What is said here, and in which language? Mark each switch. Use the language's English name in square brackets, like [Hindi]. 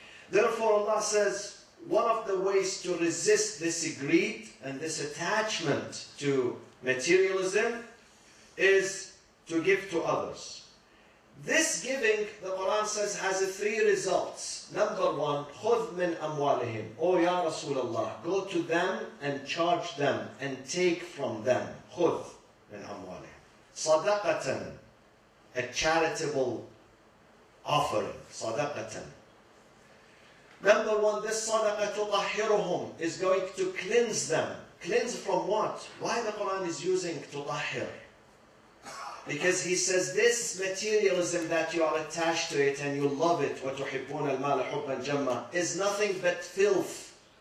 [English] Therefore, Allah says, one of the ways to resist this greed and this attachment to materialism is to give to others. This giving, the Quran says, has three results. Number one, [Arabic] خُذْ مِنْ أَمْوَالِهِمْ [English] O Ya Rasulullah, go to them and charge them and take from them. [Arabic] خُذْ مِنْ أَمْوَالِهِمْ صَدَقَةً, [English] a charitable offering. [Arabic] صَدَقَةً. [English] Number one, this [Arabic] صَدَقَةُ تُطَحِّرُهُمْ [English] is going to cleanse them. Cleanse from what? Why the Quran is using تُطَحِّر? Because he says this materialism that you are attached to it and you love it, [Arabic] وَتُحِبُّونَ الْمَالَ حُبًّا جَمَّا [English] is nothing but filth.